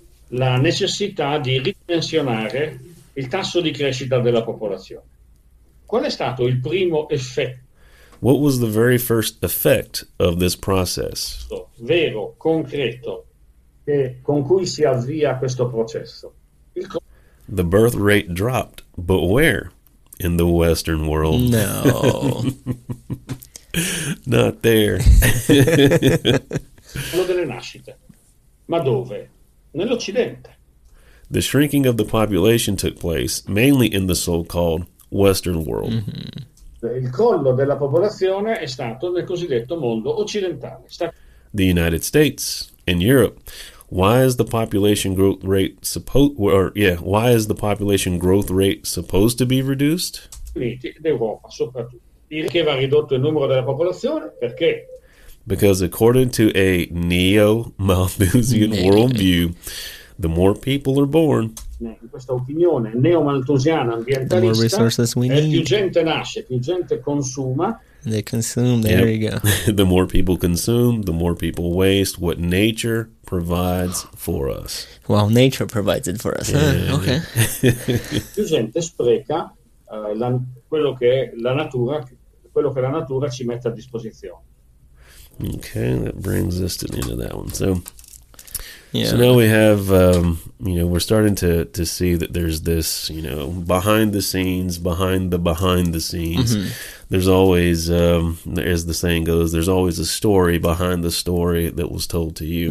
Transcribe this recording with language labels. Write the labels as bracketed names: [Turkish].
[Italian] La necessità di ridimensionare il tasso di crescita della popolazione. Qual è stato il primo effetto? [English] What was the very first effect of this process? [Italian] Vero, concreto, che con cui si avvia questo processo. [English] The birth rate dropped, but where? In the Western world. No. Not there. [Italian] Quello delle nascite. Ma dove? Nell'Occidente. [English] The shrinking of the population took place, mainly in the so-called Western world. Mm-hmm. [Italian] Il crollo della popolazione è stato nel cosiddetto mondo occidentale. [English] The United States and Europe. Why is the population growth rate why is the population growth rate supposed to be reduced? [Italian] D'Europa soprattutto. Dire che va ridotto il numero della popolazione perché? [English] Because according to a neo-Malthusian worldview, the more people are born. [Italian] In questa opinione neomalthusiana ambientalista, più gente nasce, più gente consuma. [English] They consume. There you go. The more people consume, the more people waste what nature provides for us. Well, nature provides it for us. Okay. [Italian] Più gente spreca quello che la natura ci mette a disposizione. [English] Okay, that brings us to the end of that one. So. Yeah. So now we have, you know, we're starting to see that there's this, you know, behind the scenes, behind the scenes. Mm-hmm. There's always, as the saying goes, there's always a story behind the story that was told to you.